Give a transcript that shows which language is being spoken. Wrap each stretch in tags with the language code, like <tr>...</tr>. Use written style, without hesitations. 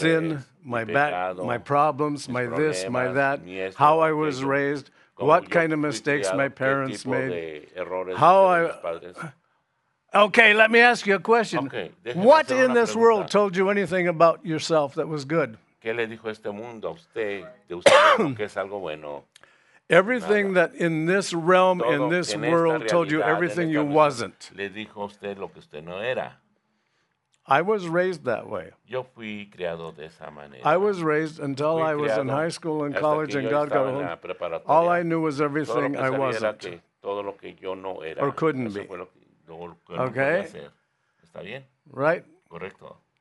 <en>sin, my back, my problems, my this, my that, how I was raised, what kind of mistakes my parents made, how I... Okay, let me ask you a question. Okay, what in this</en> <es>pregunta.</es> <en>World told you anything about yourself that was good?</en> <es>¿Qué le dijo este mundo a usted, de usted que es algo bueno?</es> <en>Everything</en> <es>Nada.</es> <en>That in this realm,</en> <es>Todo</es> <en>in this world, told you everything you wasn't.</en> <es>Le dijo usted lo que usted no era.</es> <en>I was raised that way.</en> <es>Yo fui criado de esa manera.</es> <en>I was raised until I was in high school and college and God got home. All I knew was everything I wasn't.</en> <es>Todo lo que yo no era.</es> <en>Or couldn't be. Okay?</en> <es>¿Está bien?</es> <en>Right?</en> <es>Correcto.</es>